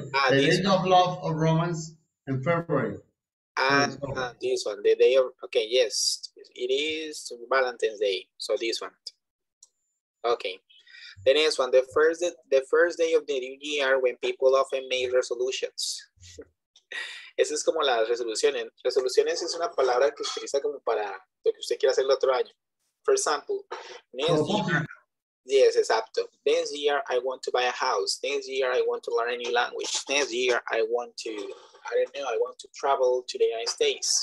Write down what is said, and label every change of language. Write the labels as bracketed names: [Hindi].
[English] The Day of Love and Romance in February. And this one, the day of, okay, yes, it is Valentine's Day, so this one. Okay, the next one, the first day of the new year when people often make resolutions. [Spanish] Esa es como las resoluciones. Resoluciones es una palabra que se utiliza como para lo que usted quiera hacer el otro año. [English] For example, next year, yes, exacto. This year I want to buy a house. This year I want to learn a new language. This year I want to... I don't know, I want to travel to the United States.